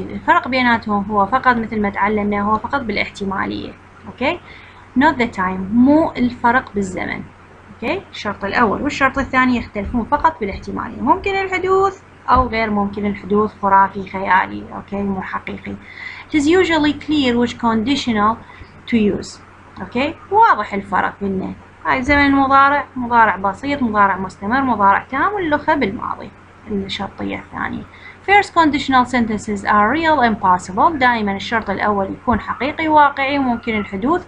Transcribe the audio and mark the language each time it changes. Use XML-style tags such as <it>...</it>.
<ar>الفرق بيناتهم هو فقط مثل ما تعلمنا هو فقط بالاحتمالية.</ar> <en>Okay. Not the time.</en> <ar>مو الفرق بالزمن.</ar> <en>Okay.</en> <ar>الشرط الأول والشرط الثاني يختلفون فقط بالاحتمالية. ممكن الحدوث أو غير ممكن الحدوث، خرافي، خيالي، أوكي، مو حقيقي.</ar> <en>It is usually clear which conditional to use.</en> <ar>أوكي، واضح الفرق بينه. هاي زمن المضارع، مضارع بسيط، مضارع مستمر، مضارع تام، واللخة بالماضي الشرطية الثانية.</ar> <en>First conditional sentences are real and possible.</en> <ar>دائما الشرط الأول يكون حقيقي واقعي ممكن الحدوث.</ar>